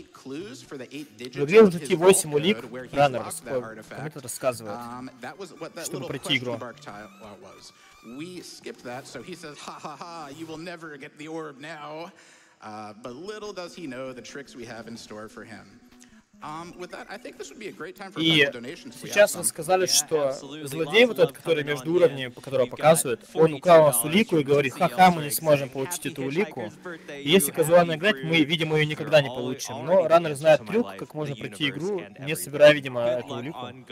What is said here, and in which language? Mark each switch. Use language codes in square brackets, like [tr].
[ru] В игре нужно найти 8 улик, раннер, как это рассказывает, чтобы пройти игру. [en] We skipped that, so he says, ha ha ha, you will never get the orb now. But little does he know the tricks we have in store for him. With that, I think this would be a great time for a donation. [ru] Сейчас вы сказали, что злодей вот этот, который между уровнями, которого показывают, он украл у нас улику и говорит, ха-ха, мы не сможем получить эту улику. И если казуально играть, мы, видимо, ее никогда не получим. Но раннер знает трюк, как можно пройти игру, не собирая, видимо, эту улику.